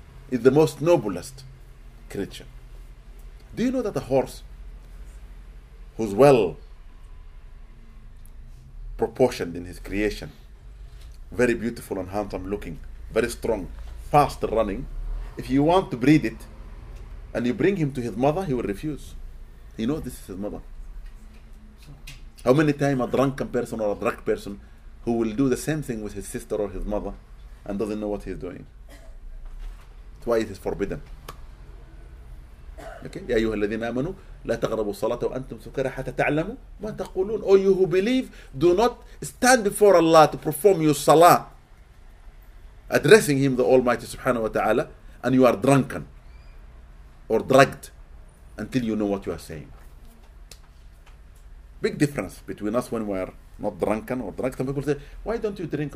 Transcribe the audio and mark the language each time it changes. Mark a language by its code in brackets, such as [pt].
[en] It's the most noblest creature. Do you know that a horse who's well proportioned in his creation, very beautiful and handsome looking, very strong, fast running, if you want to breed it and you bring him to his mother, he will refuse. He knows this is his mother. How many times a drunken person or a drug person who will do the same thing with his sister or his mother and doesn't know what he's doing? That's why it is forbidden. Okay? [ar] يا أيها الذين آمنوا لا تغربوا الصلاة وأنتم سكرى حتى تعلموا ما تقولون. [en] Oh, you who believe, do not stand before Allah to perform your salah, addressing Him, the Almighty Subhanahu wa Ta'ala, and you are drunken or drugged until you know what you are saying. Big difference between us when we are not drunken or drugged. Some people say, why don't you drink?